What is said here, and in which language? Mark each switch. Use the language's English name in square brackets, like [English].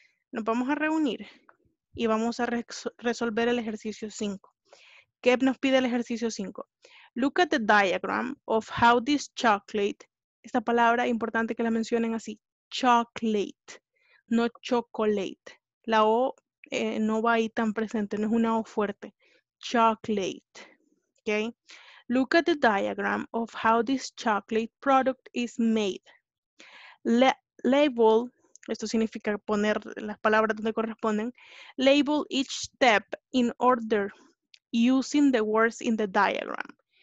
[Spanish] Nos vamos a reunir y vamos a resolver el ejercicio 5. ¿Qué nos pide el ejercicio 5? [English] Look at the diagram of how this chocolate, [Spanish] esta palabra importante que la mencionen así, chocolate, no chocolate. La O no va ahí tan presente, no es una O fuerte. Chocolate, okay? [English] Look at the diagram of how this chocolate product is made. Label, [Spanish] esto significa poner las palabras donde corresponden. [English] Label each step in order using the words in the diagram.